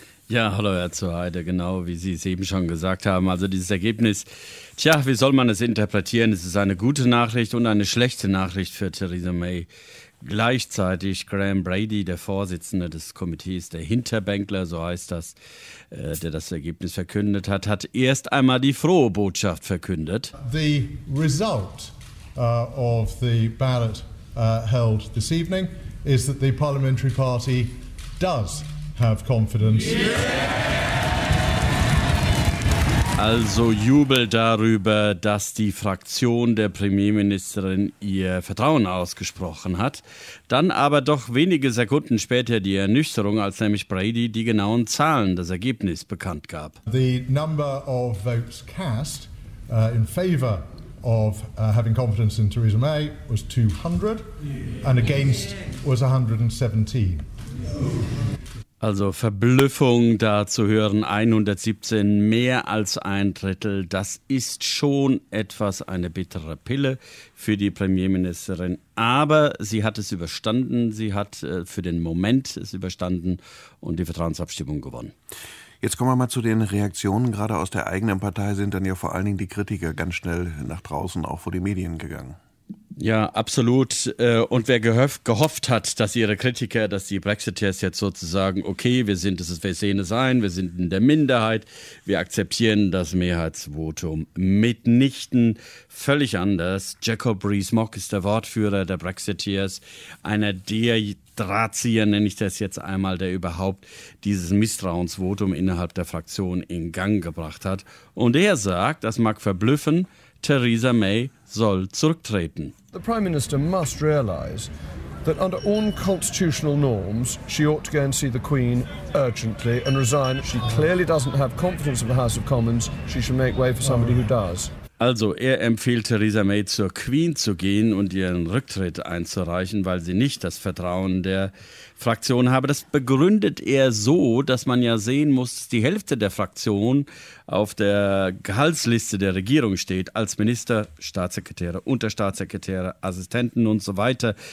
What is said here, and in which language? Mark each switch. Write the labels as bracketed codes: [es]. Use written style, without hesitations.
[de] Ja, hallo Herr Zuheide, genau wie Sie es eben schon gesagt haben. Also dieses Ergebnis, tja, wie soll man es interpretieren? Es ist eine gute Nachricht und eine schlechte Nachricht für Theresa May. Gleichzeitig Graham Brady, der Vorsitzende des Komitees, der Hinterbänkler, so heißt das, der das Ergebnis verkündet hat, hat erst einmal die frohe Botschaft verkündet. [en] The result of the ballot held this evening is that the Parliamentary Party does have confidence. [de] Also Jubel darüber, dass die Fraktion der Premierministerin ihr Vertrauen ausgesprochen hat. Dann aber doch wenige Sekunden später die Ernüchterung, als nämlich Brady die genauen Zahlen, das Ergebnis bekannt gab. [en] The number of votes cast in favor of having confidence in Theresa May was 200 and against was 117. [de] Also Verblüffung da zu hören, 117, mehr als ein Drittel, das ist schon etwas eine bittere Pille für die Premierministerin. Aber sie hat es überstanden, sie hat für den Moment es überstanden und die Vertrauensabstimmung gewonnen. Jetzt kommen wir mal zu den Reaktionen. Gerade aus der eigenen Partei sind dann ja vor allen Dingen die Kritiker ganz schnell nach draußen, auch vor die Medien gegangen. Ja, absolut. Und wer gehofft hat, dass ihre Kritiker, dass die Brexiteers jetzt sozusagen, okay, wir sehen es ein, wir sind in der Minderheit, wir akzeptieren das Mehrheitsvotum mitnichten. Völlig anders. Jacob Rees-Mogg ist der Wortführer der Brexiteers, einer der Drahtzieher, nenne ich das jetzt einmal, der überhaupt dieses Misstrauensvotum innerhalb der Fraktion in Gang gebracht hat. Und er sagt, das mag verblüffen, Theresa May soll zurücktreten. [en] The Prime Minister must realize that under all constitutional norms, she ought to go and see the Queen urgently and resign. She clearly doesn't have confidence in the House of Commons. She should make way for somebody who does. [de] Also, er empfiehlt Theresa May zur Queen zu gehen und ihren Rücktritt einzureichen, weil sie nicht das Vertrauen der Fraktion habe. Das begründet er so, dass man ja sehen muss, die Hälfte der Fraktion auf der Gehaltsliste der Regierung steht, als Minister, Staatssekretäre, Unterstaatssekretäre, Assistenten und so weiter.